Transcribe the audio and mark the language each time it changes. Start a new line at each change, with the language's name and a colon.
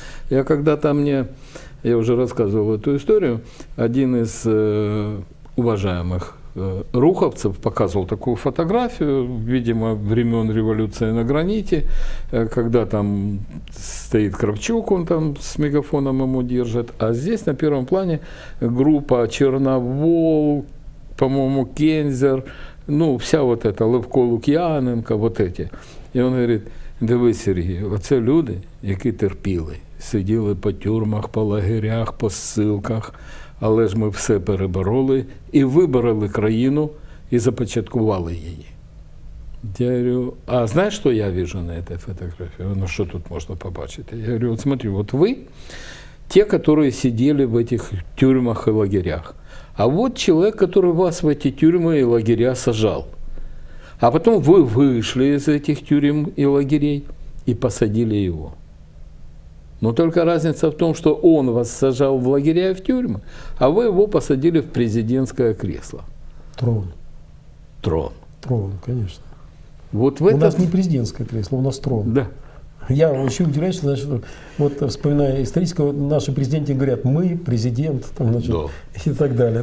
Russian: Я когда-то мне, я уже рассказывал эту историю, один из уважаемых руховцев показывал такую фотографию, видимо, времен революции на граните, когда там стоит Кравчук, он там с мегафоном ему держит, а здесь на первом плане группа Черновол, по-моему, Кензер, ну, вся вот эта, Левко Лук'яненко, вот эти.
Ukrainian: И он говорит: дивись, Сергій, оце люди, які терпіли, сиділи по тюрмах, по лагерях, по ссылках, але ж ми все перебороли і вибороли країну і започаткували її. Я говорю: а знаєш, що я вижу на цій фотографії? Ну, що тут можна побачити? Я говорю:
Russian: от смотри,
Ukrainian: от ви, ті, які сиділи в цих тюрмах і лагерях, а от чоловік, який вас в ці тюрми і лагеря сажав. А потім ви вийшли з цих тюрем і лагерей і посадили його.
Russian: Но только разница в том, что он вас сажал в лагеря и в тюрьмы, а вы его посадили в президентское кресло. Трон. Трон. Трон, конечно. Вот у нас не президентское кресло, у нас трон. Да. Я вообще удивляюсь, что, значит, вот вспоминая историческое, наши президенты говорят: мы президент, там, значит, и так далее.